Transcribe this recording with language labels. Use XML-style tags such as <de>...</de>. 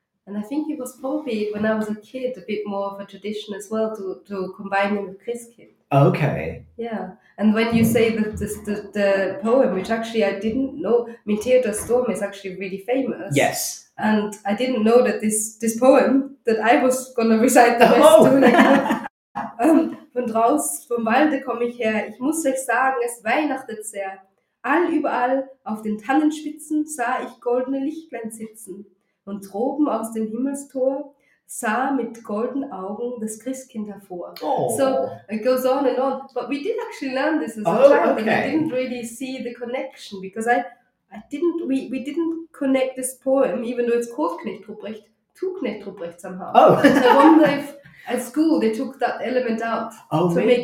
<en>And I think it was probably, when I was a kid, a bit more of a tradition as well to combine him with Christkind. Okay. Yeah. And when you say the poem, which actually I didn't know, I mean, Theodor Storm is actually really famous. Yes. And I didn't know that this poem that I was going to recite the rest to.</en> <de>Von draus, vom Walde komme ich her, ich muss euch sagen, es weihnachtet sehr. All überall auf den Tannenspitzen sah ich goldene Lichtlein sitzen. Und droben aus dem Himmelstor sah mit golden Augen das Christkind hervor. Oh.</de> <en>So it goes on and on. But we did actually learn this as a child. Okay. And we didn't really see the connection because we didn't connect this poem, even though it's called Knecht Ruprecht, to Knecht Ruprecht somehow. Oh. I wonder if at school they took that element out to make</en>